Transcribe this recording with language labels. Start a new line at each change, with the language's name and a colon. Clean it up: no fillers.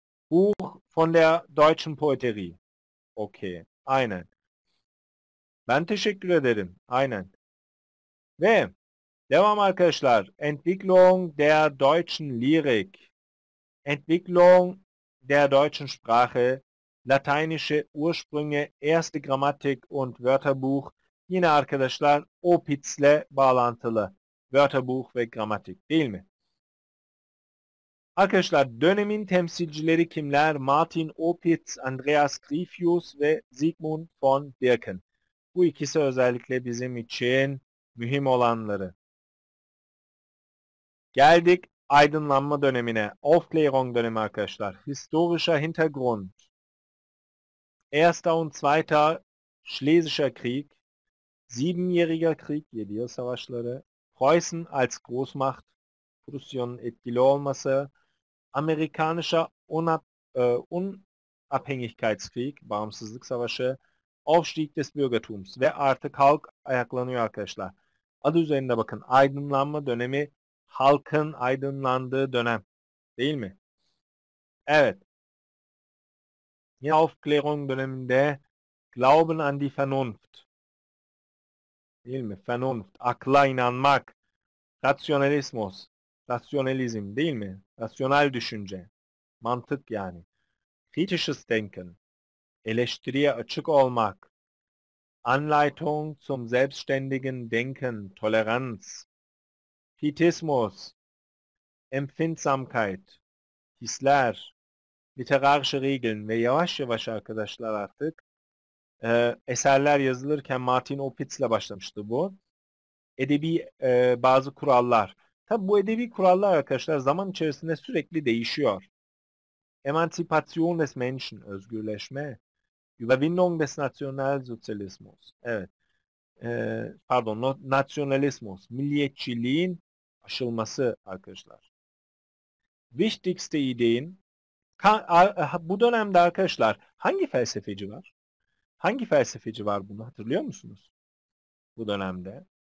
German: Buch von der Deutschen Poeterie.
Turkish: Okey, aynen. Ben teşekkür ederim, aynen. Ve devam arkadaşlar.
German: Entwicklung der deutschen Lyrik. Entwicklung der deutschen Sprache. Lateinische Ursprünge, erste Grammatik und Wörterbuch.
Turkish: Yine arkadaşlar Opitz'le bağlantılı. Wörterbuch ve gramatik, değil mi? Arkadaşlar, dönemin temsilcileri kimler? Martin Opitz, Andreas Gryphius ve Sigmund von Birken. Bu ikisi özellikle bizim için mühim olanları. Geldik aydınlanma dönemine. Aufklärung dönemi arkadaşlar.
German: Historischer Hintergrund. Erster und Zweiter Schlesischer Krieg. Siebenjähriger Krieg,
Turkish: 7 yıl savaşları.
German: Preußen als Großmacht,
Turkish: Prusya'nın etkili olması,
German: Amerikanischer Unabhängigkeitskrieg,
Turkish: bağımsızlık savaşı,
German: Aufstieg des Bürgertums
Turkish: ve artık halk ayaklanıyor arkadaşlar. Adı üzerinde bakın, aydınlanma dönemi, halkın aydınlandığı dönem, değil mi? Evet. Yine Aufklärung döneminde
German: Glauben an die Vernunft.
Turkish: Değil mi? Vernunft, akla inanmak. Rationalismus, rasyonalizm değil mi? Rasyonel düşünce, mantık yani.
German: Kritisches Denken,
Turkish: eleştiriye açık olmak.
German: Anleitung zum selbstständigen Denken, Toleranz.
Turkish: Pietismus, Empfindsamkeit, hisler,
German: literarische Regeln.
Turkish: Ve yavaş yavaş arkadaşlar artık eserler yazılırken Martin Opitz'le başlamıştı bu. Edebi bazı kurallar. Tabi bu edebi kurallar arkadaşlar zaman içerisinde sürekli değişiyor.
German: Emancipation des Menschen,
Turkish: özgürleşme.
German: Überwindung des Nationalsozialismus.
Turkish: Evet. Pardon, Nationalismus. Milliyetçiliğin aşılması arkadaşlar.
German: Wichtigste Ideen.
Turkish: Bu dönemde arkadaşlar hangi felsefeci var? Hangi felsefeci var bunu hatırlıyor musunuz? Bu dönemde.